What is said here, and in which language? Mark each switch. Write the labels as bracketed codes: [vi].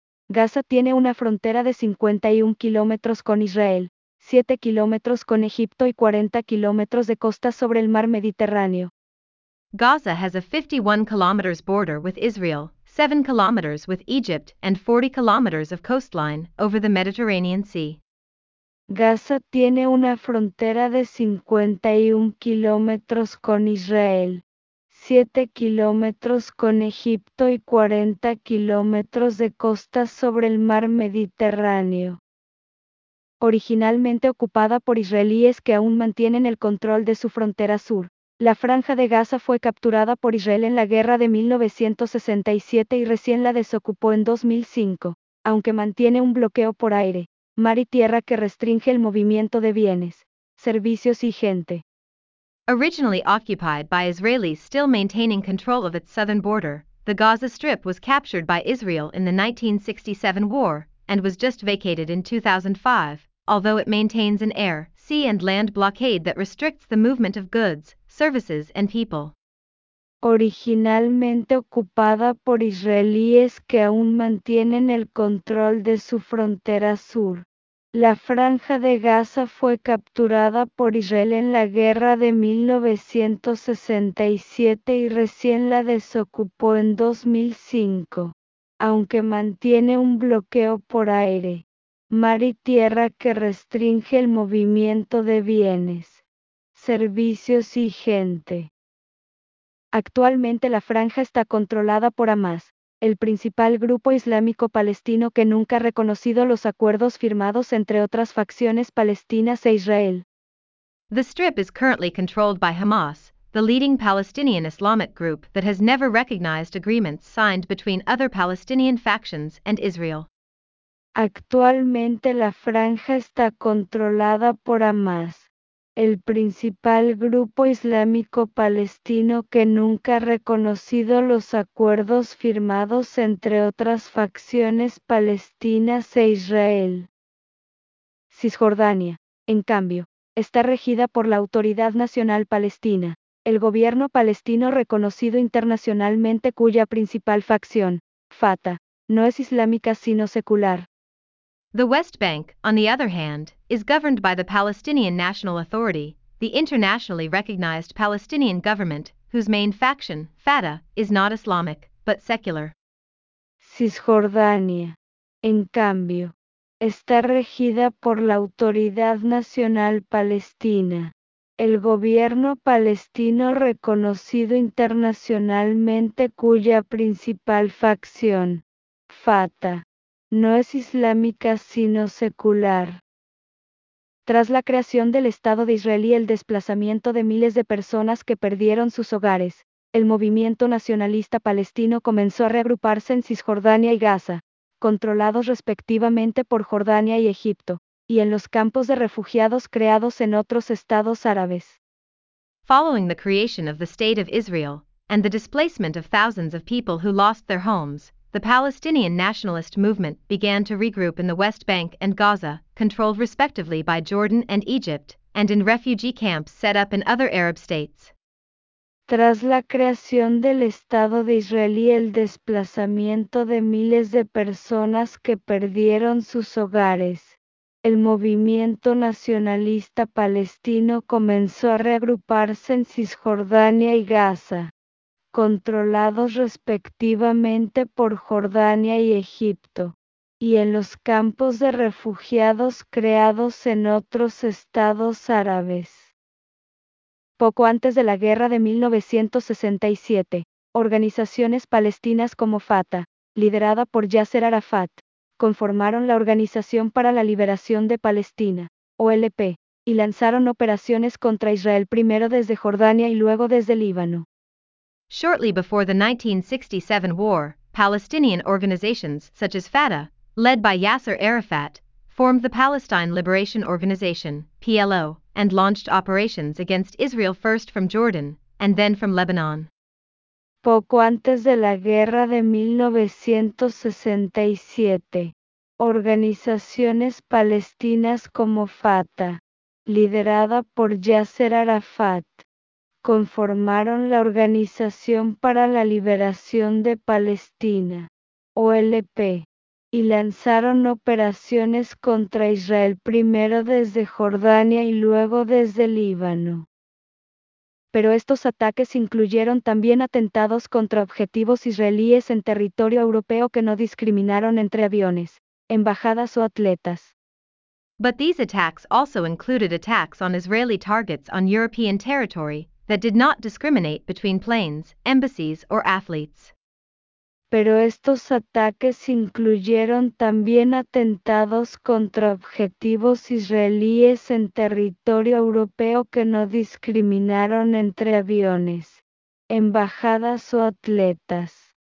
[es] Gaza tiene una frontera de 51 kilómetros con Israel, 7 kilómetros con Egipto y 40 kilómetros de costa sobre el mar Mediterráneo. [en] Gaza has a 51 kilometers border with Israel, 7 kilometers with Egypt, and 40 kilometers of coastline over the Mediterranean Sea. [es] Gaza tiene una frontera de 51 kilómetros con Israel, 7 kilómetros con Egipto y 40 kilómetros de costa sobre el mar Mediterráneo. Originalmente ocupada por israelíes que aún mantienen el control de su frontera sur. La Franja de Gaza fue capturada por Israel en la guerra de 1967 y recién la desocupó en 2005, aunque mantiene un bloqueo por aire, mar y tierra que restringe el movimiento de bienes, servicios y gente. [en] Originally occupied by Israelis still maintaining control of its southern border, the Gaza Strip was captured by Israel in the 1967 war and was just vacated in 2005, although it maintains an air, sea and land blockade that restricts the movement of goods, services and people. [es] Originalmente ocupada por israelíes que aún mantienen el control de su frontera sur. La franja de Gaza fue capturada por Israel en la guerra de 1967 y recién la desocupó en 2005. Aunque mantiene un bloqueo por aire, mar y tierra que restringe el movimiento de bienes, servicios y gente. Actualmente la franja está controlada por Hamas, el principal grupo islámico palestino que nunca ha reconocido los acuerdos firmados entre otras facciones palestinas e Israel. [en] The Strip is currently controlled by Hamas, the leading Palestinian Islamic group that has never recognized agreements signed between other Palestinian factions and Israel. [es] Actualmente la franja está controlada por Hamas, el principal grupo islámico palestino que nunca ha reconocido los acuerdos firmados entre otras facciones palestinas e Israel. Cisjordania, en cambio, está regida por la Autoridad Nacional Palestina, el gobierno palestino reconocido internacionalmente cuya principal facción, Fatah, no es islámica sino secular. [en] The West Bank, on the other hand, is governed by the Palestinian National Authority, the internationally recognized Palestinian government, whose main faction, Fatah, is not Islamic, but secular. [es] Cisjordania, en cambio, está regida por la Autoridad Nacional Palestina, el gobierno palestino reconocido internacionalmente cuya principal facción, Fatah, no es islámica sino secular. Tras la creación del Estado de Israel y el desplazamiento de miles de personas que perdieron sus hogares, el movimiento nacionalista palestino comenzó a reagruparse en Cisjordania y Gaza, controlados respectivamente por Jordania y Egipto, y en los campos de refugiados creados en otros estados árabes. [en] Following the creation of the State of Israel, and the displacement of thousands of people who lost their homes, the Palestinian nationalist movement began to regroup in the West Bank and Gaza, controlled respectively by Jordan and Egypt, and in refugee camps set up in other Arab states. [es] Tras la creación del Estado de Israel y el desplazamiento de miles de personas que perdieron sus hogares, el movimiento nacionalista palestino comenzó a reagruparse en Cisjordania y Gaza, controlados respectivamente por Jordania y Egipto, y en los campos de refugiados creados en otros estados árabes. Poco antes de la guerra de 1967, organizaciones palestinas como Fatah, liderada por Yasser Arafat, conformaron la Organización para la Liberación de Palestina, OLP, y lanzaron operaciones contra Israel primero desde Jordania y luego desde Líbano. [en] Shortly before the 1967 war, Palestinian organizations such as Fatah, led by Yasser Arafat, formed the Palestine Liberation Organization, PLO, and launched operations against Israel first from Jordan, and then from Lebanon. [es] Poco antes de la guerra de 1967, organizaciones palestinas como Fatah, liderada por Yasser Arafat, conformaron la Organización para la Liberación de Palestina, OLP, y lanzaron operaciones contra Israel primero desde Jordania y luego desde Líbano. Pero estos ataques incluyeron también atentados contra objetivos israelíes en territorio europeo que no discriminaron entre aviones, embajadas o atletas. [en] But these attacks also included attacks on Israeli targets on European territory that did not discriminate between planes, embassies or athletes. [es] Pero estos ataques incluyeron también atentados contra objetivos israelíes en territorio europeo que no discriminaron entre aviones, embajadas o atletas.